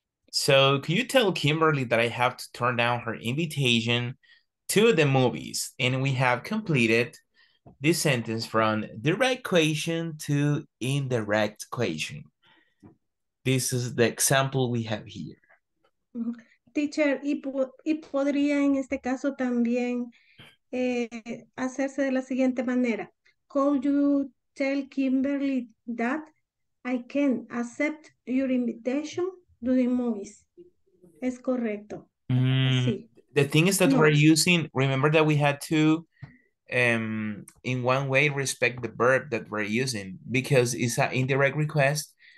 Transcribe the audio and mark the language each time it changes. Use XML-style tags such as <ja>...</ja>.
<en>So, can you tell Kimberly that I have to turn down her invitation to the movies? And we have completed this sentence from direct question to indirect question. This is the example we have here.</en> <es>Teacher, ¿y podría en este caso también hacerse de la siguiente manera?</es> <en>Could you tell Kimberly that I can accept your invitation to the movies?</en> <es>Es correcto.</es> <en>Sí. The thing is that no. We're using, remember that we had to, in one way, respect the verb that we're using, because it's an indirect request.</en>